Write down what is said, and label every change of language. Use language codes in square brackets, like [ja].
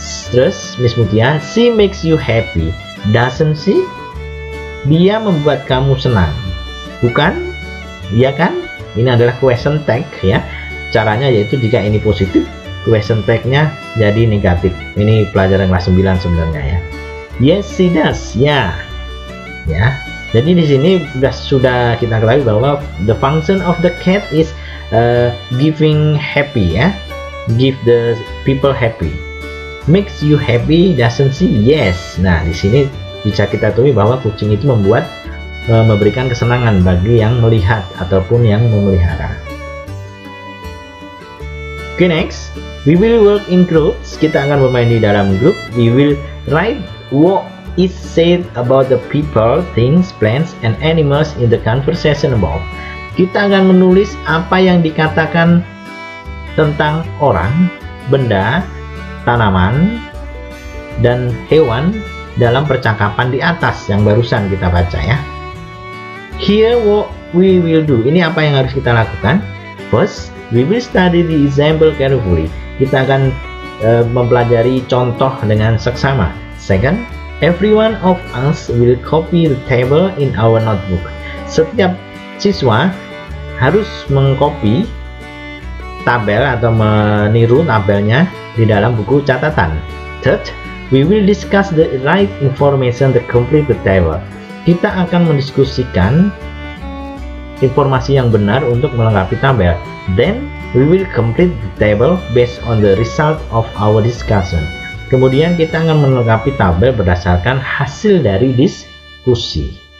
[id] Terus [en] Miss Mutia, she makes you happy, doesn't she? [id] Dia membuat kamu senang, bukan? Iya kan? Ini adalah question tag ya. Caranya yaitu jika ini positif, question tag-nya jadi negatif. Ini pelajaran kelas 9 sebenarnya ya. [en] Yes, she does. [id] Ya. Jadi di sini sudah kita ketahui bahwa [en] the function of the cat is giving happy ya. Give the people happy. Makes you happy, doesn't she? Yes. [id] Nah, di sini bisa kita tahu bahwa kucing itu memberikan kesenangan bagi yang melihat ataupun yang memelihara. [en] Okay, next. We will work in groups. [id] Kita akan bermain di dalam grup. [en] We will write what is said about the people, things, plants, and animals in the conversation above. [id] Kita akan menulis apa yang dikatakan tentang orang, benda, tanaman, dan hewan dalam percakapan di atas yang barusan kita baca ya. [en] Here what we will do. [id] Ini apa yang harus kita lakukan? [en] First, we will study the example carefully. [id] Kita akan mempelajari contoh dengan seksama. [en] Second, every one of us will copy the table in our notebook. [id] Setiap siswa harus mengcopy tabel atau meniru tabelnya di dalam buku catatan. [en] Third, we will discuss the right information to complete the table. [id] Kita akan mendiskusikan informasi yang benar untuk melengkapi tabel. [en] Then, we will complete the table based on the result of our discussion. [id] Kemudian kita akan melengkapi tabel berdasarkan hasil dari diskusi.